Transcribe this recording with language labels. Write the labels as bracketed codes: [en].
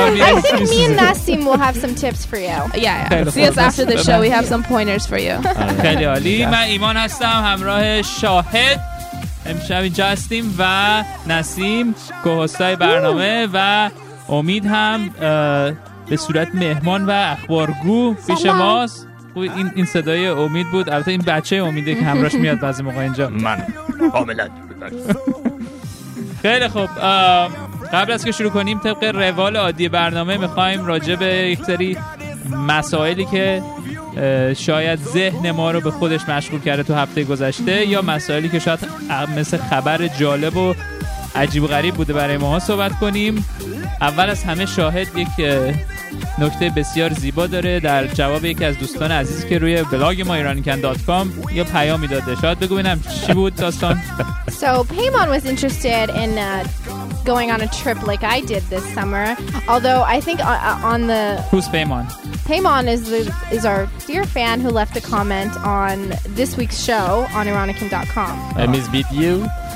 [en] I think me and Nassim will have some tips for you. Yeah, see us after the show, we have some pointers for you. [fa] خیلی عالی. من ایمان هستم همراه شاهد، امشب اینجا هستیم و نسیم گوهستای برنامه و امید هم به صورت مهمان و اخبارگو پیش ماست. خوب این صدای امید بود، البته این بچه امیده که همراهش میاد بعضی موقع اینجا. من کاملا خیلی خوب. قبل از که شروع کنیم، طبق روال عادی برنامه میخوایم راجع به یک سری مسائلی که شاید ذهن ما رو به خودش مشغول کرده تو هفته گذشته، یا مسائلی که شاید مثل خبر جالب و عجیب و غریب بوده برای ما، صحبت کنیم. اول از همه شاهد یک نکته بسیار زیبا داره در جواب یکی از دوستان عزیزی که روی بلاگ ما iranican.com یا پیامی داده. شاهد بگو ببینم چی بود داستان. [en] So Paimon was interested in going on a trip like I did this summer. Although I think on the Who's Paimon? Paimon is our dear fan who left a comment on this week's show on iranican.com. And he's with you.